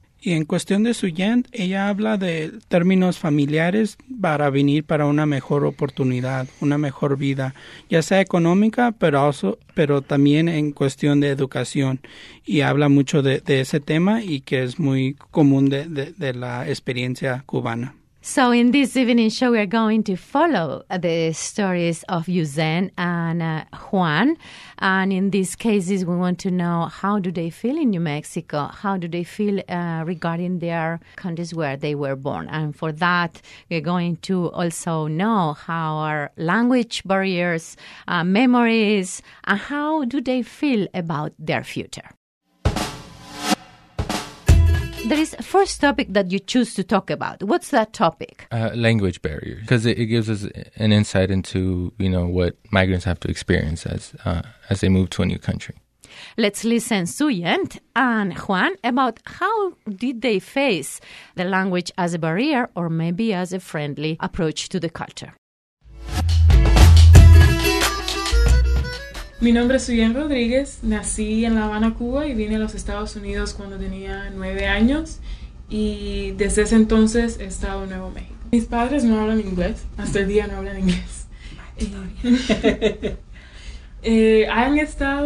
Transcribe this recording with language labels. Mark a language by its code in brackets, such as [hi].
[es] Y en cuestión de Suyen, ella habla de términos familiares para venir para una mejor oportunidad, una mejor vida, ya sea económica, pero también en cuestión de educación. Y habla mucho de ese tema y que es muy común de la experiencia cubana. [en] So in this evening show, we are going to follow the stories of Yuzen and Juan. And in these cases, we want to know how do they feel in New Mexico? How do they feel regarding their countries where they were born? And for that, we're going to also know how are language barriers, memories, and how do they feel about their future. There is a first topic that you choose to talk about. What's that topic? Language barriers, because it gives us an insight into, you know, what migrants have to experience as they move to a new country. Let's listen to Suyen and Juan about how did they face the language as a barrier or maybe as a friendly approach to the culture. [es] Mi nombre es Suyen Rodríguez, nací en La Habana, Cuba y vine a los Estados Unidos cuando tenía 9 años y desde ese entonces he estado en Nuevo México. Mis padres no hablan inglés, hasta el día no hablan inglés.